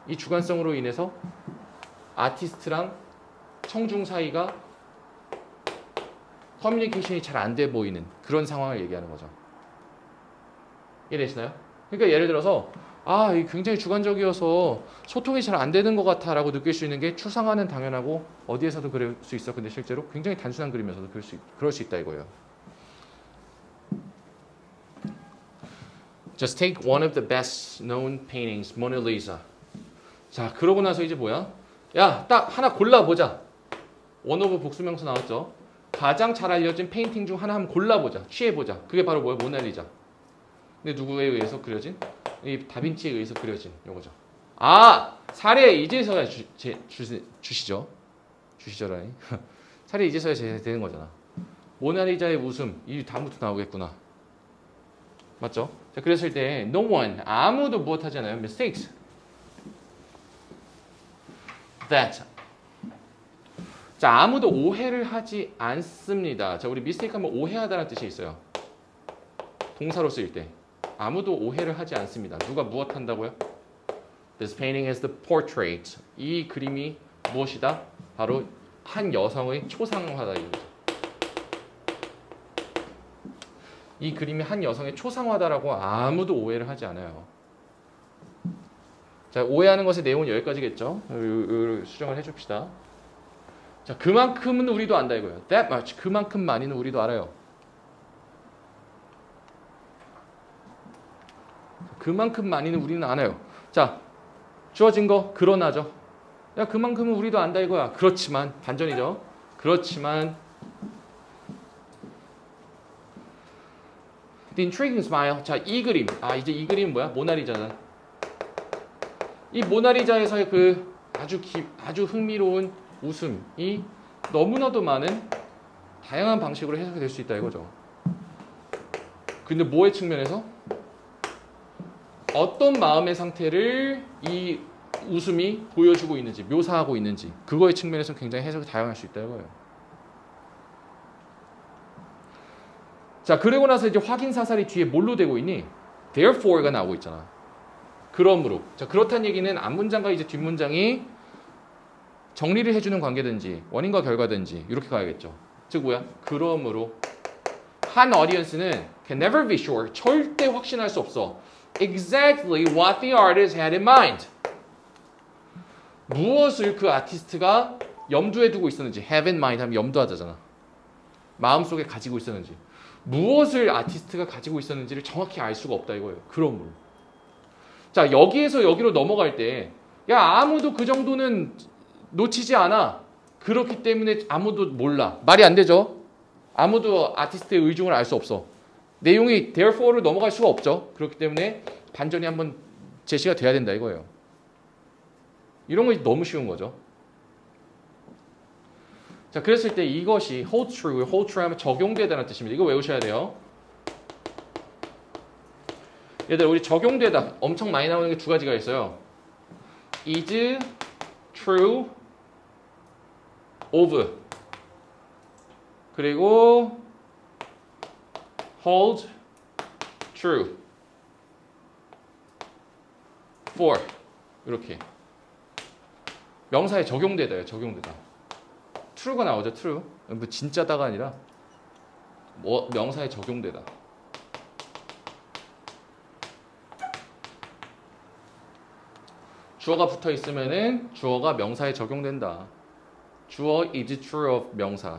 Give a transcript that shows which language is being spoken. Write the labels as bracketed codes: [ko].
[ko] 이 주관성으로 인해서 아티스트랑 청중 사이가 커뮤니케이션이 잘 안 돼 보이는 그런 상황을 얘기하는 거죠. 이해되시나요? 그러니까 예를 들어서 아, 이게 굉장히 주관적이어서 소통이 잘 안 되는 것 같아라고 느낄 수 있는 게 추상화는 당연하고 어디에서도 그럴 수 있어. 근데 실제로 굉장히 단순한 그림에서도 그럴 수 있다 이거예요. [en] Just take one of the best known paintings, Mona Lisa. [ko] 자, 그러고 나서 이제 뭐야? 야, 딱 하나 골라보자. 원오브 복수명서 나왔죠? 가장 잘 알려진 페인팅 중 하나 한번 골라보자. 취해보자. 그게 바로 뭐예요? 모나리자. 근데 누구에 의해서 그려진? 이 다빈치에 의해서 그려진 요거죠. 아! 사례 이제서야 주시죠. 주시죠라니. 사례 이제서야 되는 거잖아. 모나리자의 웃음. 이 다음부터 나오겠구나. 맞죠? 자, 그랬을 때 [en] no one, [ko] 아무도 무엇 하잖아요. [en] mistakes. That. [ko] 자, 아무도 오해를 하지 않습니다. 자, 우리 미스테이크 하면 오해하다라는 뜻이 있어요. 동사로 쓰일 때. 아무도 오해를 하지 않습니다. 누가 무엇 한다고요? [en] This painting is the portrait. [ko] 이 그림이 무엇이다? 바로 한 여성의 초상화다. 이거죠. 이 그림이 한 여성의 초상화다라고 아무도 오해를 하지 않아요. 자, 오해하는 것의 내용은 여기까지겠죠? 수정을 해줍시다. 자, 그만큼은 우리도 안다 이거예요. [en] That much. [ko] 그만큼 많이는 우리도 알아요. 그만큼 많이는 우리는 알아요. 자, 주어진 거 그러나죠. 야, 그만큼은 우리도 안다 이거야. 그렇지만 반전이죠. 그렇지만 [en] The intriguing smile. [ko] 자, 이 그림. 아, 이제 이 그림은 뭐야? 모나리자다. 이 모나리자에서의 그 아주 흥미로운 웃음이 너무나도 많은 다양한 방식으로 해석이 될 수 있다 이거죠. 근데 뭐의 측면에서? 어떤 마음의 상태를 이 웃음이 보여주고 있는지 묘사하고 있는지 그거의 측면에서 굉장히 해석이 다양할 수 있다는 거예요. 자, 그리고 나서 이제 확인 사살이 뒤에 뭘로 되고 있니? Therefore가 나오고 있잖아. 그러므로. 자, 그렇다는 얘기는 앞문장과 이제 뒷문장이 정리를 해주는 관계든지 원인과 결과든지 이렇게 가야겠죠. 즉 뭐야? 그러므로 한 [en] audience는 can never be sure. [ko] 절대 확신할 수 없어. [en] Exactly what the artist had in mind. [ko] 무엇을 그 아티스트가 염두에 두고 있었는지 [en] have in mind [ko] 하면 염두하자잖아. 마음속에 가지고 있었는지 무엇을 아티스트가 가지고 있었는지를 정확히 알 수가 없다 이거예요. 그러므로. 자, 여기에서 여기로 넘어갈 때 야, 아무도 그 정도는 놓치지 않아. 그렇기 때문에 아무도 몰라. 말이 안 되죠? 아무도 아티스트의 의중을 알 수 없어. 내용이 therefore로 넘어갈 수가 없죠. 그렇기 때문에 반전이 한번 제시가 돼야 된다 이거예요. 이런 거 너무 쉬운 거죠. 자, 그랬을 때 이것이 [en] hold true, hold true [ko] 하면 적용되다는 뜻입니다. 이거 외우셔야 돼요. 얘들 우리 적용되다 엄청 많이 나오는 게 두 가지가 있어요. [en] is true of 그리고 hold true for [ko] 이렇게 명사에 적용되다요. 적용되다. true가 나오죠. true. 뭐 진짜다가 아니라 뭐 명사에 적용되다. 주어가 붙어 있으면은 주어가 명사에 적용된다. 주어 [en] is true of [ko] 명사.